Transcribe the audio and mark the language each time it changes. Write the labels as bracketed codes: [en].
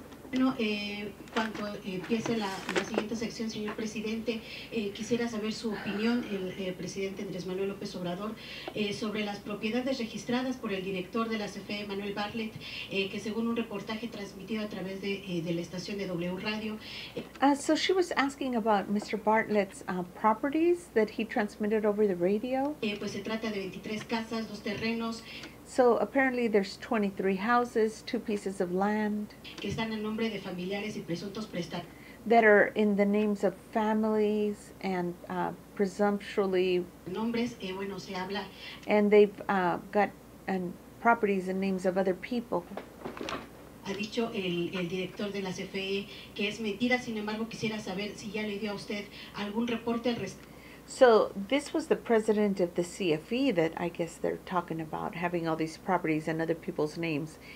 [es] Bueno, cuando empiece la siguiente sección, señor presidente, quisiera saber su opinión, el presidente Andrés Manuel López Obrador, sobre las propiedades registradas por el director de la CFE, Manuel Bartlett, que según un reportaje transmitido a través de la estación de W Radio. [en] So she was asking about Mr. Bartlett's properties that he transmitted over the radio. [es] Pues se trata de 23 casas, 2 terrenos. [en] So apparently there's 23 houses, 2 pieces of land [es] que están en nombre de familiares y presuntos prestados, [en] that are in the names of families and presumptuously [es] nombres, bueno, se habla, [en] and they've got and properties and names of other people. [es] Ha dicho el director de la CFE que es mentira, sin embargo quisiera saber si ya le dio a usted algún reporte al respecto. [en] So this was the president of the CFE that I guess they're talking about, having all these properties and other people's names.